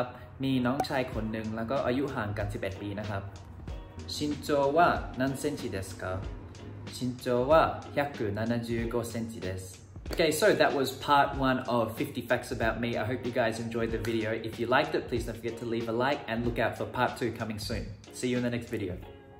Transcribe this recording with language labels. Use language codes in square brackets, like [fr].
[th] พี่เพิร์ทมีพี่น้องไหมคะ?มีนะครับ。มีน้องชายคนหนึ่งแล้วก็อายุห่างกัน 11 ปีนะครับ. [ja] 身長は何センチですか? 身長は175センチです。 [en] Okay, so that was part one of 50 facts about me. I hope you guys enjoyed the video. If you liked it, please don't forget to leave a like and look out for part two coming soon. See you in the next video.